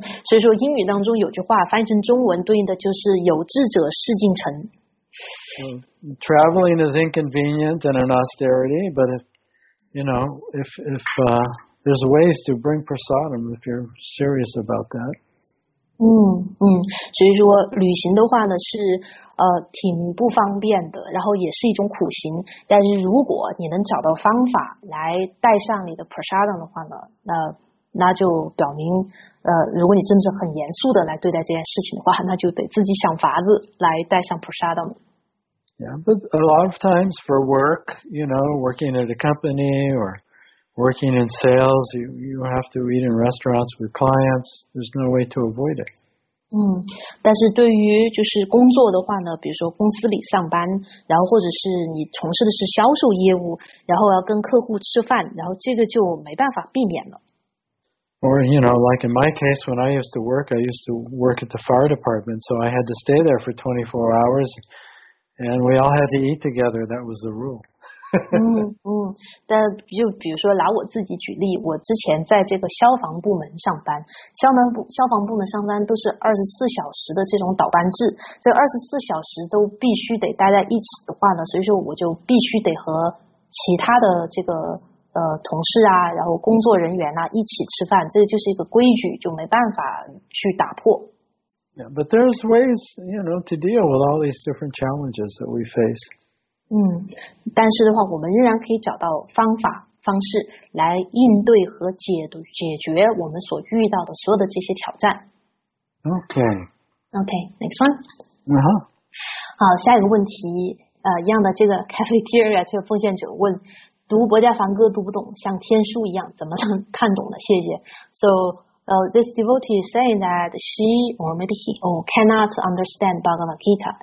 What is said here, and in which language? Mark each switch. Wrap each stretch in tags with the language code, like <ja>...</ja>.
<zh>所以说英语当中有句话翻译成中文对应的就是"有志者事竟成"。</zh> <en>Traveling is inconvenient and an austerity, but if there's ways to bring prasadam if you're serious about that.</en> <zh>所以说旅行的话呢是挺不方便的，然后也是一种苦行，但是如果你能找到方法来带上你的 prasadam 的话呢，那就表明如果你真是很严肃的来对待这件事情的话，那就得自己想法子来带上 prasadam。</zh> <en>Yeah, but a lot of times for work, you know, working at a company or working in sales, you have to eat in restaurants with clients. There's no way to avoid it.</en> <zh>但是对于就是工作的话呢，比如说公司里上班，然后或者是你从事的是销售业务，然后要跟客户吃饭，然后这个就没办法避免了。</zh> <en>Or, you know, like in my case, when I used to work at the fire department, so I had to stay there for 24 hours, and we all had to eat together, that was the rule.</en> <zh>但就比如说拿我自己举例，我之前在这个消防部门上班，消防部门上班都是24小时的这种倒班制，这24小时都必须得待在一起的话呢，所以说我就必须得和其他的这个同事啊，然后工作人员啊一起吃饭，这就是一个规矩，就没办法去打破。</zh> <en>Yeah, but there's ways, you know, to deal with all these different challenges that we face.</en> <zh>但是的话我们仍然可以找到方法方式来应对和解决我们所遇到的所有的这些挑战。</zh> <en>Okay, next one. Uh-huh.</en> <zh>好，下一个问题一样的，这个 cafeteria 这个奉献者问，读《薄伽梵歌》读不懂，像天书一样怎么能看懂呢？谢谢。</zh> <en>So, this devotee is saying that she or maybe he cannot understand Bhagavad Gita.</en>